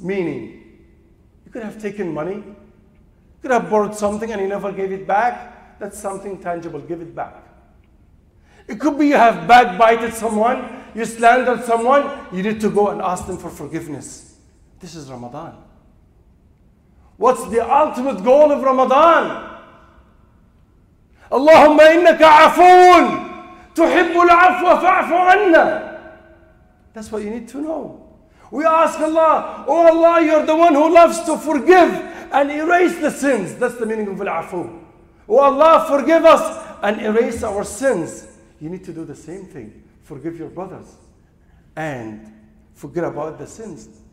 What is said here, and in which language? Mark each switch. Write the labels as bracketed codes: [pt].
[en] Meaning, you could have taken money, you could have borrowed something and you never gave it back. That's something tangible, give it back. It could be you have backbited someone, you slandered someone, you need to go and ask them for forgiveness. This is Ramadan. What's the ultimate goal of Ramadan? [ar] اللهم إنك عفو تحب العفو فاعف عنا. [en] That's what you need to know. We ask Allah, oh Allah, you're the one who loves to forgive and erase the sins. That's the meaning of al-afu. Oh Allah, forgive us and erase our sins. You need to do the same thing. Forgive your brothers and forget about the sins.